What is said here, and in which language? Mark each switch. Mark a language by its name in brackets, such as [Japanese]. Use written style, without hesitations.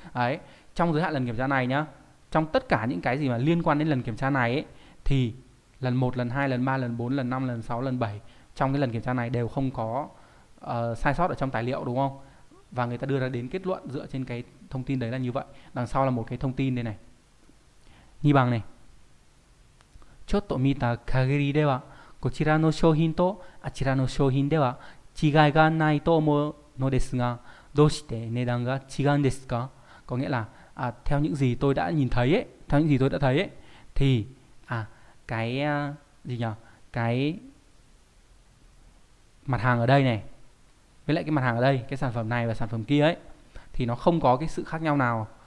[Vietnamese] Đấy, trong giới hạn lần kiểm tra này nhá, trong tất cả những cái gì mà liên quan đến lần kiểm tra này ấy, thì lần 1, lần 2, lần 3, lần 4, lần 5, lần 6, lần 7 trong cái lần kiểm tra này đều không có sai sót ở trong tài liệu đúng không, và người ta đưa ra đến kết luận dựa trên cái thông tin đấy là như vậy. Đằng sau là một cái thông tin đây này, nhi bằng này. [Japanese] Chốt tổ mi ta kagiri de wa こちらの商品とあちらの商品では違いがないと思うのですが、どうして値段が違うんですか？ [Vietnamese] Có nghĩa là theo những gì tôi đã nhìn thấy ấy, theo những gì tôi đã thấy ấy, thì cái gì nhỉ? Cái mặt hàng ở đây này, với lại cái mặt hàng ở đây, cái sản phẩm này và sản phẩm kia ấy, thì nó không có cái sự khác nhau nào.